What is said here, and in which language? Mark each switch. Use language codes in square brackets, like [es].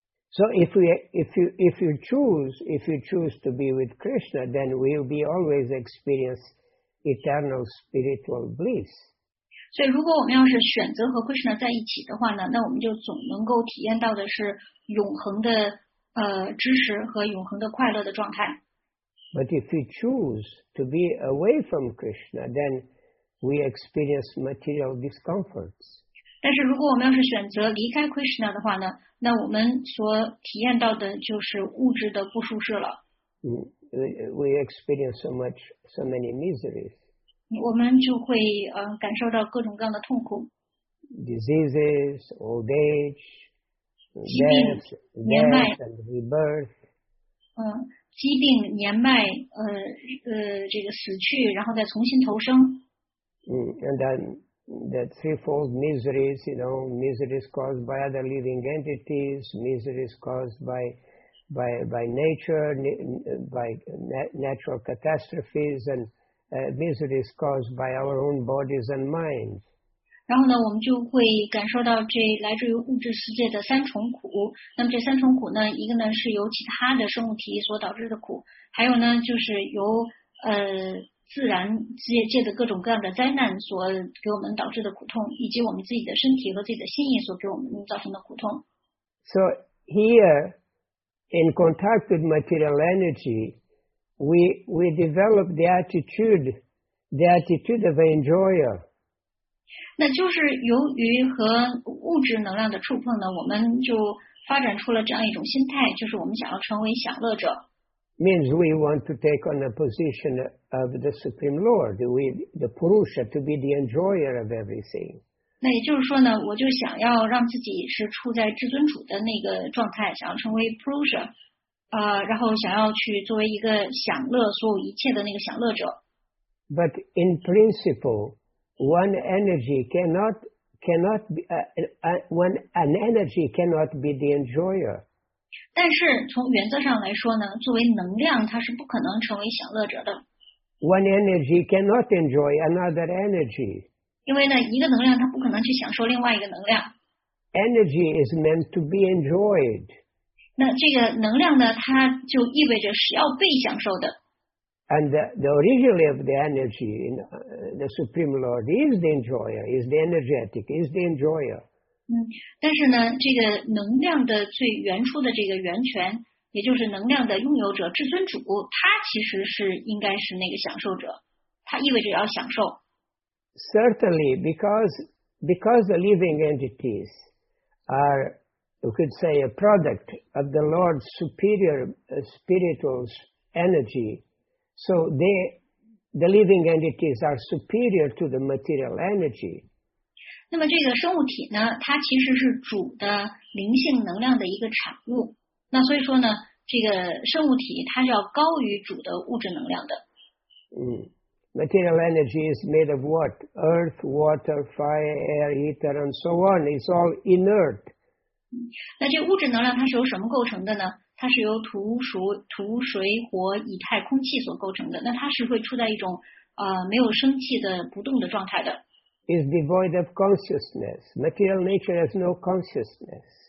[en] So if you choose to be with Krishna, then we'll be always experience eternal spiritual bliss. [zh] 所以，如果我们要是选择和 Krishna 在一起的话呢，那我们就总能够体验到的是永恒的知识和永恒的快乐的状态。 [en] But if we choose to be away from Krishna, then we experience material discomforts. [zh] 但是如果我们要是选择离开 Krishna 的话呢，那我们所体验到的就是物质的不舒适了。 [en] We experience so many miseries. [zh] 我们就会感受到各种各样的痛苦。 [en] Diseases, old age, death, [zh] 疾病、年迈、 [en] death and rebirth. [zh] 疾病、年迈、这个死去，然后再重新投生。 [en] And then the threefold miseries, you know, miseries caused by other living entities, miseries caused by nature, by natural catastrophes, and miseries caused by our own bodies and minds. [zh] 然后呢，我们就会感受到这来自于物质世界的三重苦。那么这三重苦呢，一个呢是由其他的生物体所导致的苦，还有呢就是由自然界的各种各样的灾难所给我们导致的苦痛，以及我们自己的身体和自己的心意所给我们造成的苦痛。 [en] So here, in contact with material energy, we develop the attitude of an enjoyer. [zh] 那就是由于和物质能量的触碰呢，我们就发展出了这样一种心态，就是我们想要成为享乐者。 [en] Means we want to take on the position of the Supreme Lord, the Purusha, to be the enjoyer of everything. [zh] 那也就是说呢，我就想要让自己是处在至尊主的那个状态，想要成为 Purusha, 然后想要去作为一个享乐所有一切的那个享乐者。 [en] But in principle, one energy cannot be the enjoyer. [zh] 但是从原则上来说呢，作为能量，它是不可能成为享乐者的。 [en] One energy cannot enjoy another energy. [zh] 因为呢，一个能量它不可能去享受另外一个能量。 [en] Energy is meant to be enjoyed. [zh] 那这个能量呢，它就意味着是要被享受的。 [en] And the origin of the energy, the Supreme Lord is the enjoyer, is the energetic, is the enjoyer. [zh] 但是呢，这个能量的最原初的这个源泉，也就是能量的拥有者至尊主，他其实是应该是那个享受者，他意味着要享受。 [en] Certainly, because the living entities are, you could say, a product of the Lord's superior spiritual energy, so the living entities are superior to the material energy. [zh] 那么这个生物体呢，它其实是主的灵性能量的一个产物。那所以说呢，这个生物体它是要高于主的物质能量的。 [en] Material energy is made of what? Earth, water, fire, air, ether, and so on. It's all inert. [zh] 那这物质能量它是由什么构成的呢？它是由土、水、火、以太、空气所构成的。那它是会处在一种没有生气的不动的状态的。 [en] Is devoid of consciousness. Material nature has no consciousness.